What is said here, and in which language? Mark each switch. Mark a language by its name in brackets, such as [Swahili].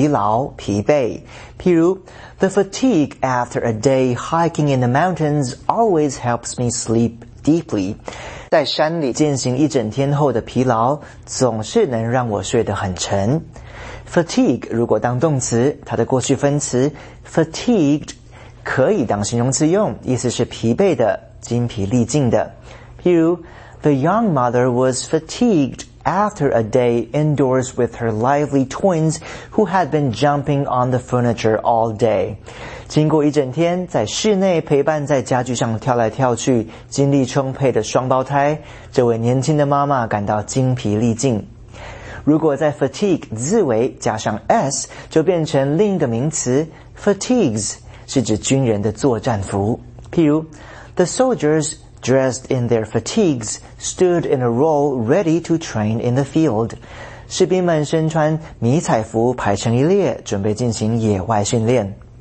[English] The fatigue after a day hiking in the mountains always helps me sleep deeply. [Chinese] 在山里进行一整天后的疲劳总是能让我睡得很沉。 Fatigue 如果当动词，它的过去分词 fatigued 可以当形容词用，意思是疲惫的，精疲力尽的。譬如 [English] The young mother was fatigued after a day indoors with her lively twins who had been jumping on the furniture all day. [Chinese] 经过一整天在室内陪伴在家具上跳来跳去精力充沛的双胞胎，这位年轻的妈妈感到精疲力尽。如果在 fatigue 字尾加上 s 就变成另一个名词 fatigues, 是指军人的作战服。譬如 [English] The soldiers dressed in their fatigues stood in a row ready to train in the field. [Chinese] 士兵们身穿迷彩服排成一列准备进行野外训练。